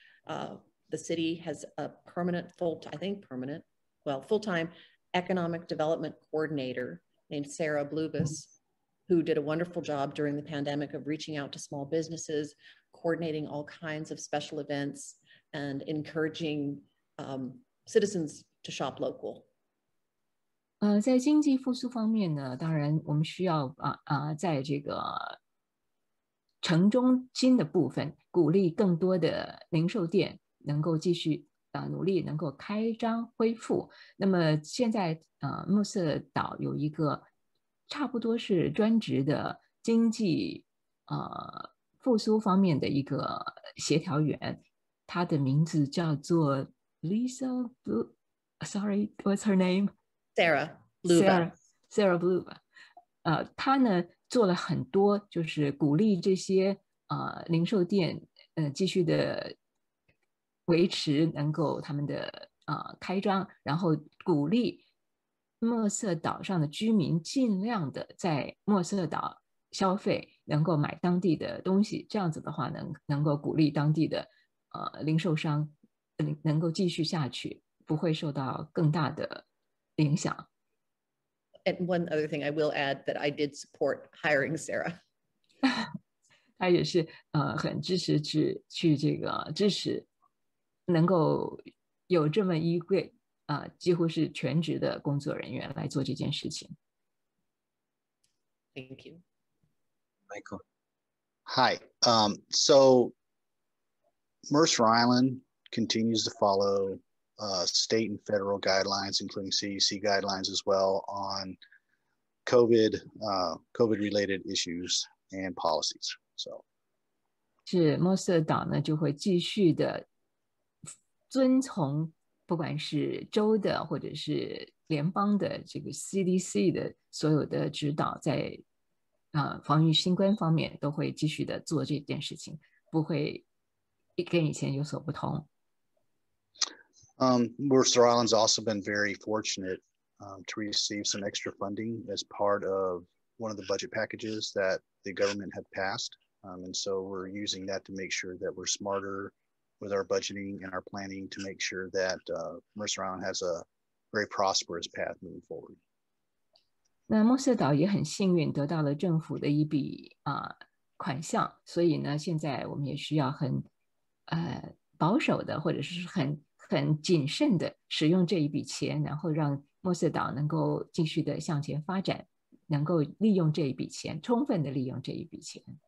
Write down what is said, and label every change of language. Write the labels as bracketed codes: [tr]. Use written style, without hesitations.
[en] The city has a permanent full-time economic development coordinator named Sarah Blubus, who did a wonderful job during the pandemic of reaching out to small businesses, coordinating all kinds of special events, and encouraging citizens to shop local. [zh] 在经济复苏方面呢，当然我们需要在这个城中心的部分，鼓励更多的零售店能够继续努力能够开张恢复。那么现在墨色岛有一个差不多是专职的经济复苏方面的一个协调员。她的名字叫做 [en] Lisa Blue, sorry, what's her name? Sarah Blue. Sarah Blue. [zh] 她呢做了很多就是鼓励这些零售店继续的维持能够他们的开张，然后鼓励墨色岛上的居民尽量的在墨色岛消费，能够买当地的东西，这样子的话能够鼓励当地的零售商能够继续下去，不会受到更大的影响。 [en] And one other thing I will add that I did support hiring Sarah. [zh] 他也是很支持去这个支持能够有这么一位几乎是全职的工作人员来做这件事情。 [en] Thank you. Michael. Hi. So Mercer Island continues to follow state and federal guidelines, including CDC guidelines as well, on COVID related issues and policies. So, [zh] 是墨色岛呢就会继续的遵从不管是州的或者是联邦的这个 CDC 的所有的指导，在防御新冠方面都会继续的做这件事情，不会跟以前有所不同。 [en] Mercer Island's also been very fortunate to receive some extra funding as part of one of the budget packages that the government had passed. And so we're using that to make sure that we're smarter with our budgeting and our planning to make sure that Mercer Island has a very prosperous path moving forward. [zh] 那墨色岛也很幸运得到了政府的一笔款项，所以呢，现在我们也需要很保守的或者是很谨慎的使用这一笔钱，然后让墨色岛能够继续的向前发展，能够利用这一笔钱，充分的利用这一笔钱。